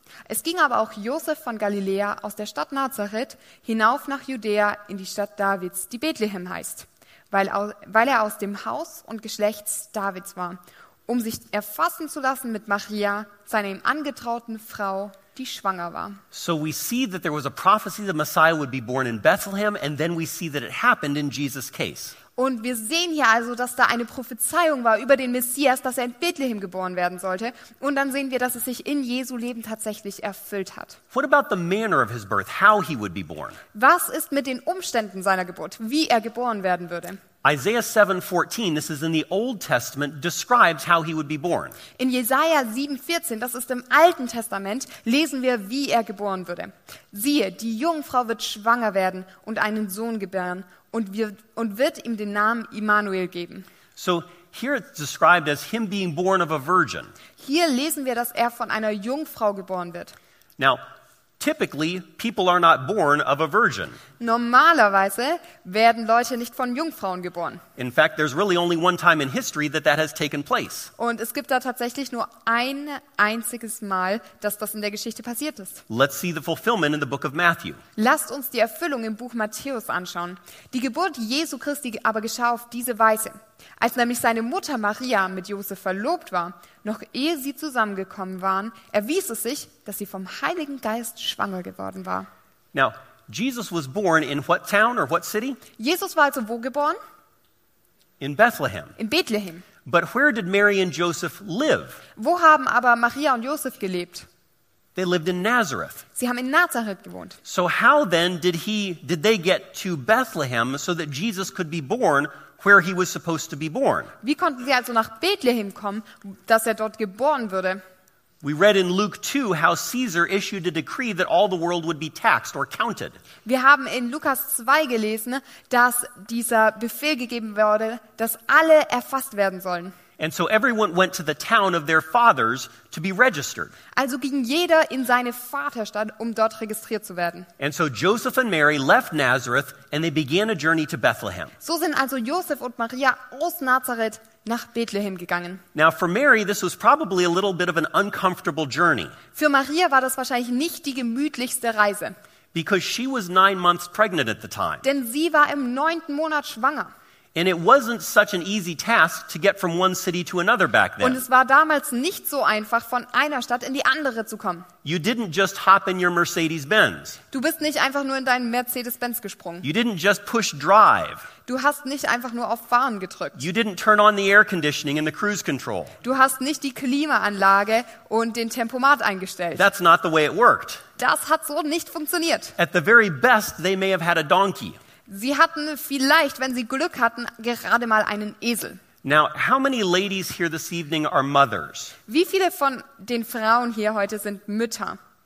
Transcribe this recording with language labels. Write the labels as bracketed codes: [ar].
[de] Es ging aber auch Josef von Galiläa aus der Stadt Nazareth hinauf nach Judäa in die Stadt Davids, die Bethlehem heißt, weil er aus dem Haus und Geschlecht Davids war, um sich erfassen zu lassen mit Maria, seiner ihm angetrauten Frau, die schwanger war. [en] So we see that there was a prophecy that Messiah would be born in Bethlehem, and then we see that it happened in Jesus' case. [de] Und wir sehen hier also, dass da eine Prophezeiung war über den Messias, dass er in Bethlehem geboren werden sollte. Und dann sehen wir, dass es sich in Jesu Leben tatsächlich erfüllt hat. [en] What about the manner of his birth? How he would be born? [de] Was ist mit den Umständen seiner Geburt? Wie er geboren werden würde? [en] Isaiah 7:14, this is in the Old Testament, describes how he would be born. [de] In Jesaja 7:14, das ist im Alten Testament, lesen wir, wie er geboren würde. Siehe, die Jungfrau wird schwanger werden und einen Sohn gebären und wird ihm den Namen Immanuel geben. [en] So here it's described as him being born of a virgin. [de] Hier lesen wir, dass er von einer Jungfrau geboren wird. [en] Now, typically, people are not born of a virgin. [de] Normalerweise werden Leute nicht von Jungfrauen geboren. [en] In fact, there's really only one time in history that that has taken place. [de] Und es gibt da tatsächlich nur ein einziges Mal, dass das in der Geschichte passiert ist. [en] Let's see the fulfillment in the book of Matthew. [de] Lasst uns die Erfüllung im Buch Matthäus anschauen. Die Geburt Jesu Christi aber geschah auf diese Weise. Als nämlich seine Mutter Maria mit Josef verlobt war, noch ehe sie zusammengekommen waren, erwies es sich, dass sie vom Heiligen Geist schwanger geworden war. [en] Now, Jesus was born in what town or what city? [de] Jesus war also wo geboren? [en] In Bethlehem. [de] In Bethlehem. [en] But where did Mary and Joseph live? [de] Wo haben aber Maria und Josef gelebt? [en] They lived in Nazareth. [de] Sie haben in Nazareth gewohnt. [en] So how then did they get to Bethlehem so that Jesus could be born where he was supposed to be born? [de] Wie konnten sie also nach Bethlehem kommen, dass er dort geboren würde? [en] We read in Luke 2 how Caesar issued a decree that all the world would be taxed or counted. [de] Wir haben in Lukas 2 gelesen, dass dieser Befehl gegeben wurde, dass alle erfasst werden sollen. [en] And so everyone went to the town of their fathers to be registered. [de] Also ging jeder in seine Vaterstadt, um dort registriert zu werden. [en] And so Joseph and Mary left Nazareth and they began a journey to Bethlehem. [de] So sind also Josef und Maria aus Nazareth nach Bethlehem gegangen. [en] Now for Mary this was probably a little bit of an uncomfortable journey. [de] Für Maria war das wahrscheinlich nicht die gemütlichste Reise. [en] Because she was 9 months pregnant at the time. [de] Denn sie war im 9. Monat schwanger. [en] And it wasn't such an easy task to get from one city to another back then. [de] Und es war damals nicht so einfach, von einer Stadt in die andere zu kommen. [en] You didn't just hop in your Mercedes-Benz. [de] Du bist nicht einfach nur in deinen Mercedes-Benz gesprungen. [en] You didn't just push drive. [de] Du hast nicht einfach nur auf Fahren gedrückt. [en] You didn't turn on the air conditioning and the cruise control. [de] Du hast nicht die Klimaanlage und den Tempomat eingestellt. [en] That's not the way it worked. [de] Das hat so nicht funktioniert. [en] At the very best, they may have had a donkey. [de] Sie hatten vielleicht, wenn sie Glück hatten, gerade mal einen Esel. [en] Now, how many ladies here this evening are mothers? [de] Wie viele von den Frauen hier heute sind Mütter?